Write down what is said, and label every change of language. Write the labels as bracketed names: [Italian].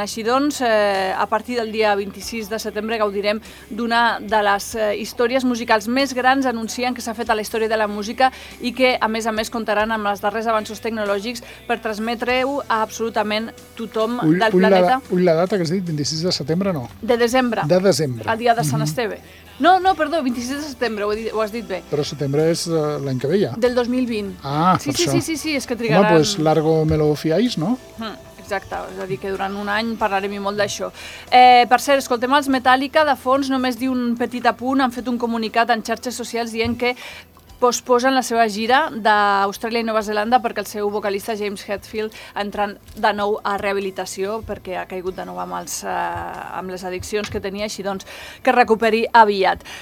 [Catalan] Així doncs, a partir del dia 26 de setembre gaudirem d'una de les històries musicals més grans anuncien que s'ha fet a la història de la música i que, a més, comptaran amb els darrers avanços tecnològics per transmetre-ho a absolutament tothom del planeta. Ull la data que has dit, 26 de setembre, no? De desembre. De desembre. El dia de Sant Esteve. No, perdó, 26 de setembre, ho has dit bé. Però setembre és l'any que ve, ja. Del 2020. Ah, sí, per això. Sí, és que trigaran... [Spanish] Home, pues largo me lo fiáis, no? [Catalan] exacte, és a dir, que durant un any parlarem molt d'això. Per cert, escoltem els Metallica, de fons, només diu un petit apunt, han fet un comunicat en xarxes socials dient que posposen la seva gira d'Austràlia i Nova Zelanda perquè el seu vocalista James Hetfield entrant de nou a rehabilitació perquè ha caigut de nou amb les addiccions que tenia, així doncs que recuperi aviat.